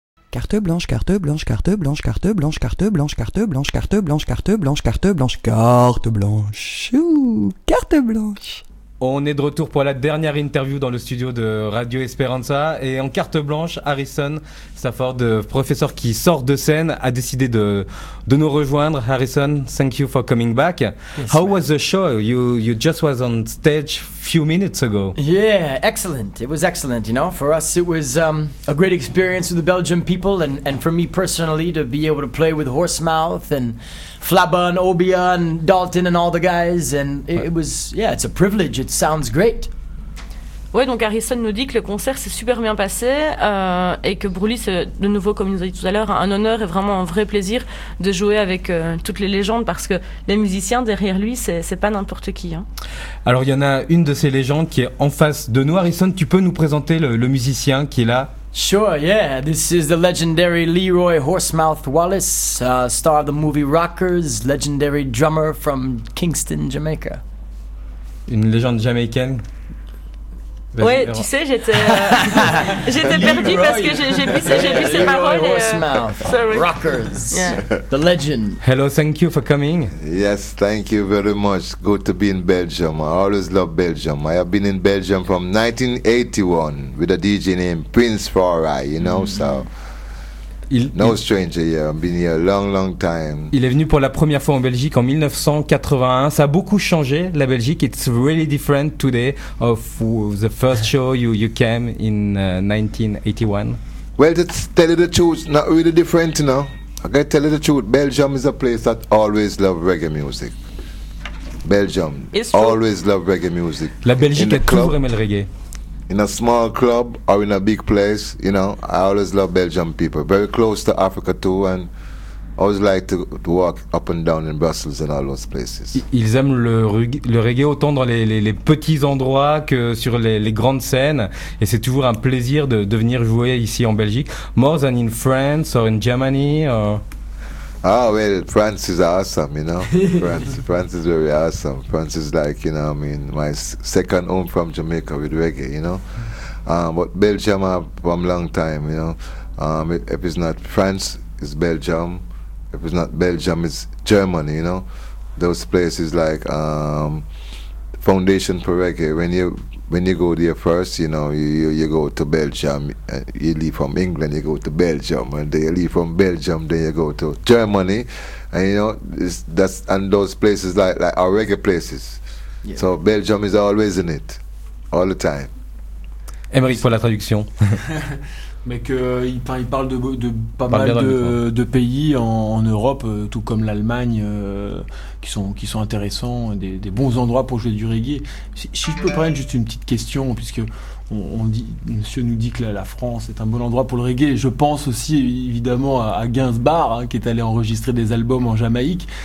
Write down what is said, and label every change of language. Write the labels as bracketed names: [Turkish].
[French] Carte blanche, carte blanche, carte blanche, carte blanche, carte blanche, carte blanche, carte blanche, carte blanche, carte blanche, carte blanche, carte blanche, carte blanche. On est de retour pour la dernière interview dans le studio de Radio Esperanza. Et en carte blanche, Harrison Stafford, professeur qui sort de scène, a décidé de nous rejoindre. [English] Harrison, thank you for coming back. Yes, how was the show? You just was on stage few minutes ago. Yeah, excellent. It was excellent, you know. For us, it was a great experience with the Belgian people and for me personally to be able to play with Horsemouth and Flabba and Obia and Dalton and all the guys. And it was it's a privilege. It sounds great. [French] Ouais, donc Harrison nous dit que le concert s'est super bien passé et que Brûlis, c'est de nouveau, comme il nous a dit tout à l'heure, un honneur et vraiment un vrai plaisir de jouer avec toutes les légendes, parce que les musiciens derrière lui, c'est pas n'importe qui. Hein. Alors il y en a une de ces légendes qui est en face de nous. Harrison, tu peux nous présenter le musicien qui est là? [English] Sure, yeah. This is the legendary Leroy Horsemouth Wallace, star of the movie Rockers, legendary drummer from Kingston, Jamaica. [French] Une légende jamaïcaine. Vas-y, ouais, tu sais, j'étais perdu parce que j'ai vu ses paroles. [English] Rockers, yeah. The legend. Hello, thank you for coming. Yes, thank you very much. Good to be in Belgium. I always love Belgium. I have been in Belgium from 1981 with a DJ named Prince Farai, you know, so... No stranger here. I've been here a long, long time. [French] Il est venu pour la première fois en Belgique en 1981. Ça a beaucoup changé, la Belgique. [English] It's really different today of the first show you came in 1981. Well, to tell you the truth, not really different, you know. I gotta tell you the truth. Belgium is a place that always loves reggae music. Belgium always loves reggae music. [French] La Belgique a toujours aimé le reggae. [English] In a small club or in a big place, you know, I always love Belgian people. Very close to Africa too, and I always like to walk up and down in Brussels and all those places. [French] Ils aiment le reggae autant dans les petits endroits que sur les grandes scènes, et c'est toujours un plaisir de venir jouer ici en Belgique. [English] More than in France or in Germany or... Ah, well, France is awesome, you know. France is very awesome. France is like, you know, I mean, my second home from Jamaica with reggae, you know. But Belgium, from a long time, you know. If it's not France, it's Belgium. If it's not Belgium, it's Germany, you know. Those places like foundation for reggae. When you go there first, you know, you go to Belgium, you leave from England, you go to Belgium, and then you leave from Belgium, then you go to Germany, and you know, that's and those places like our reggae places. Yeah. So Belgium is always in it, all the time. [French] Emery, pour la traduction. Mais qu'il parle de pas mal de pays en Europe, tout comme l'Allemagne, qui sont intéressants, des bons endroits pour jouer du reggae. Si je peux prendre juste une petite question, puisque monsieur nous dit que la France est un bon endroit pour le reggae, je pense aussi évidemment à Gainsbourg, hein, qui est allé enregistrer des albums en Jamaïque.